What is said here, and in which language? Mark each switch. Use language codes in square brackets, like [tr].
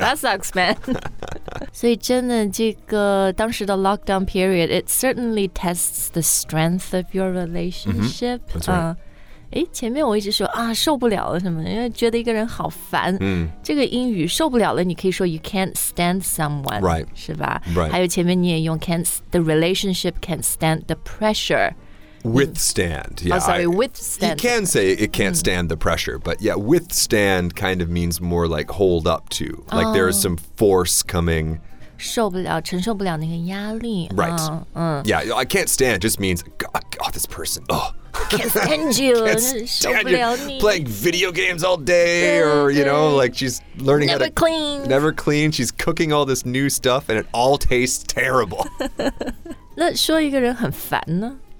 [en] That sucks, man. [zh] 所以真的这个当时的 [en] lockdown period, it certainly tests the strength. Of your relationship,、 mm-hmm. right. [zh] 前面我一直说啊，受不了了什么，因为觉得一个人好烦。嗯、mm.，这个英语受不了了，你可以说 [en] you can't stand someone, right? [zh] 是吧 [en] ？Right. [zh] 还有前面你也用 [en] can't the relationship can't stand the pressure. Withstand. Yeah. Oh, sorry, withstand. You can say it can't stand the pressure, but yeah, withstand kind of means more like hold up to, like、there is some force coming. [zh] 受不了，承受不了那个压力。 [en] Right.、嗯、 yeah, I can't stand just means, oh, this person, oh. Can't stand you. Can't stand you. Playing video games all day or, you know, like she's learning how to... Never clean. Never clean. She's cooking all this new stuff and it all tastes terrible. [zh] 那说一个人很烦呢？